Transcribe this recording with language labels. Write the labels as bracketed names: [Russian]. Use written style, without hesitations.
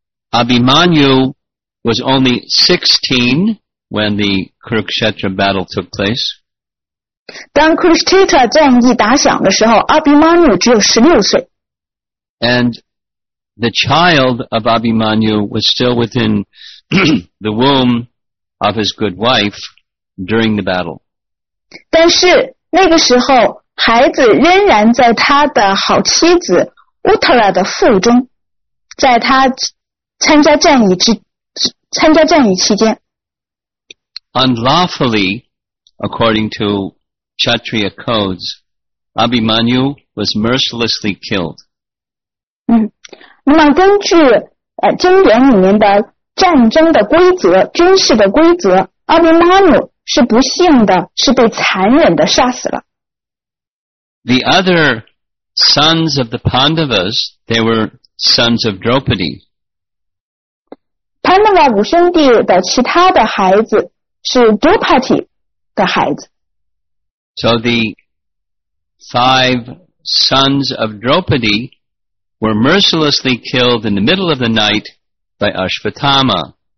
[English] Abhimanyu was only 16 when the Kurukshetra battle took place. [Chinese] 当 Kurukshetra 战役打响的时候 ，Abhimanyu 只有16岁。 [English] And the child of Abhimanyu was still within the womb of his good wife during the battle. [Chinese] 但是那个时候孩子仍然在他的好妻子 Uttara 的腹中，在他参加战役期间。 [English] Unlawfully, according to Kshatriya codes, Abhimanyu was mercilessly killed. [Chinese] 那么根据经典里面的战争的规则，军事的规则，阿比玛努是不幸的，是被残忍的杀死了。 [English] The other sons of the Pandavas, they were sons of Draupadi. [Chinese] Pandava 五兄弟的其他的孩子是 Draupadi 的孩子。 [English] So the five sons of Draupadi were mercilessly killed in the middle of the night by Ashwatthama.